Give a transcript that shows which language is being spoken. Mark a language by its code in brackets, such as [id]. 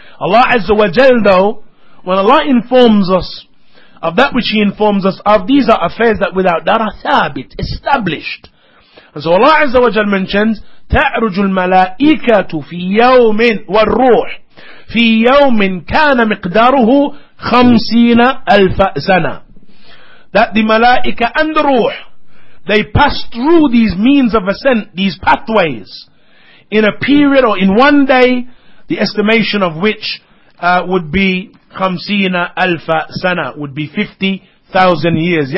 [en] Allah Azza wa Jal, though, when Allah informs us of that which He informs us of, these are affairs that without doubt are thabit, established. And so Allah Azza wa Jal mentions, [ar] تَعْرُجُ الْمَلَائِكَةُ فِي يَوْمٍ وَالْرُوحِ فِي يَوْمٍ كَانَ مِقْدَارُهُ 50,000 سَنَةً. [en] That the malaika and the ruh, they pass through these means of ascent, these pathways, in a period or in one day, the estimation of which would be 50,000 سنة, would be 50,000 years.